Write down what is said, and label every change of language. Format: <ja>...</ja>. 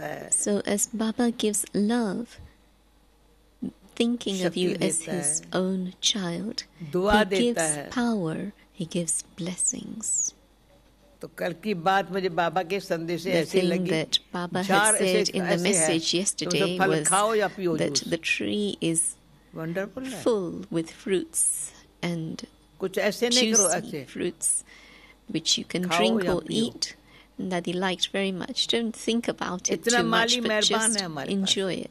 <en>So as Baba gives love, thinking of you as his own child, he gives power, he gives blessings.</en> <hi>तो कल की बात मुझे बाबा के संदेश से ऐसी लगी.</hi> <en>That Baba had said in the message yesterday was that the tree is wonderful, full with fruits and juicy fruits which you can drink or eat, and that he liked very much. Don't think about it too much, but just enjoy it.</en>